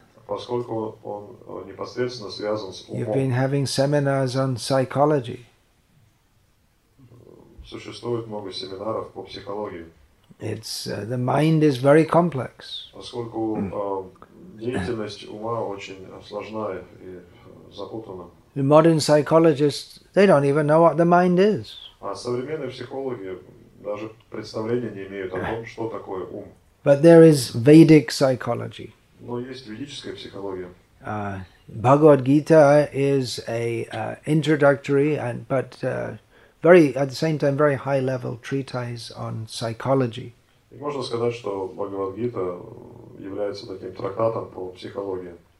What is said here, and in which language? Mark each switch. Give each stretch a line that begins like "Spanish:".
Russian: Поскольку он непосредственно связан с умом.
English: You've been having seminars on psychology.
Russian: Существует много семинаров по психологии.
English: It's the mind is very complex.
Russian: Поскольку деятельность ума очень сложная и запутана.
English: The modern psychologists, they don't even know what the mind is.
Russian: А современные психологи даже представления не имеют о том, что такое ум.
English: But there is Vedic psychology.
Russian: Но есть ведическая психология.
English: Bhagavad Gita is a introductory and but very at the same time very high level treatise on psychology.
Russian: Можно сказать, что Бхагавад Гита является таким трактатом по психологии.